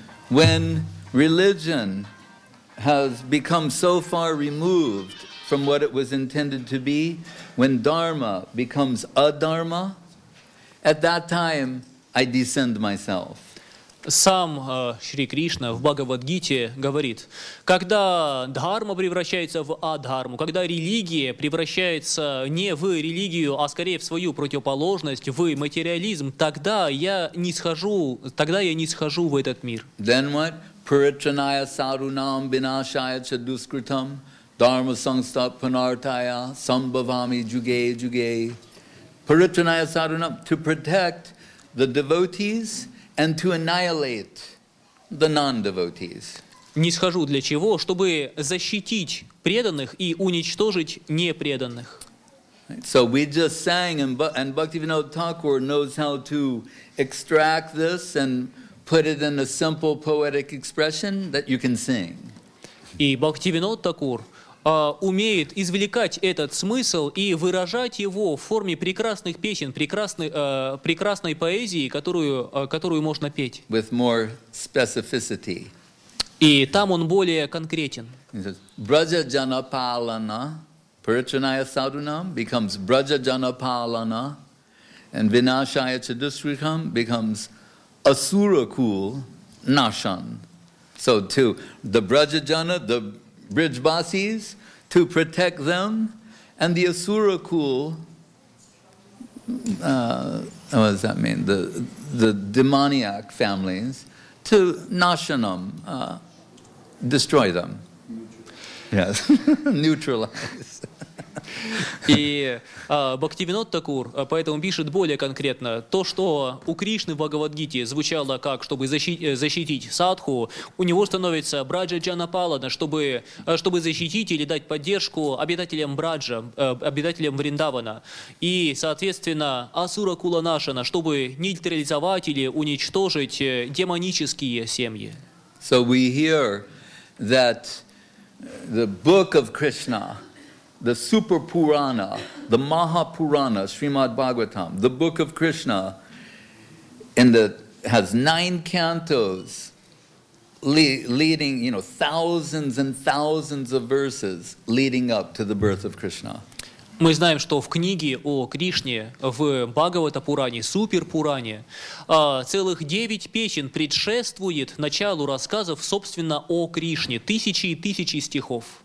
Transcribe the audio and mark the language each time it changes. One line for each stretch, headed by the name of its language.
English: When religion has become so far removed from what it was intended to be, when dharma becomes adharma, at that time I descend myself.
Russian: Сам Шри Кришна в Бхагавадгите говорит, когда дхарма превращается в адхарму, когда религия превращается не в религию, а скорее в свою противоположность, в материализм, тогда я не схожу в этот мир.
English: Then what?
Sanskrit: Puritranaya sarunam binashaya cha duskritam dharma sangstap panartaya sambhavami juge juge. Puritranaya sarunam,
English: to protect the devotees and to annihilate the non-devotees.
Russian: Не схожу для чего? Чтобы защитить преданных и уничтожить непреданных.
English: So we just sang, and Bhaktivinoda Thakur knows how to extract this and put it in a simple poetic expression that you can sing.
Russian: И Бхактивинод Такур умеет извлекать этот смысл и выражать его в форме прекрасных песен, прекрасной поэзии, которую можно петь.
English: With more specificity.
Russian: И там он более конкретен.
Sanskrit: Браджа Джанапалана, Пуричаная Садунам,
English: becomes
Sanskrit: Браджа Джанапалана,
English: and
Sanskrit: Винашая Чадусрикам becomes Асуракул Нашан.
English: So to the Браджа Джана, the Bridgevasis, to protect them, and the Asurakul, what does that mean, the demoniac families, to nashanam, destroy them. Yes, neutralize.
Russian: И Бхактивинод Такур поэтому пишет более конкретно. То, что у Кришны в Бхагавадгите звучало как, чтобы защитить садху, у него становится Браджа Джанапалана, чтобы защитить или дать поддержку обитателям Браджа, обитателям Вриндавана. И, соответственно, Асура Куланашана, чтобы нейтрализовать или уничтожить демонические семьи.
English: So we hear that the book of Krishna, the Super Purana, the Mahapurana, Srimad Bhagavatam, the book of Krishna, has 9 cantos leading, you know, thousands and thousands of verses leading up to the birth of Krishna.
Russian: Мы знаем, что в книге о Кришне, в Бхагавата-пуране, Супер-пуране, целых 9 песен предшествует началу рассказов, собственно, о Кришне, тысячи и тысячи стихов.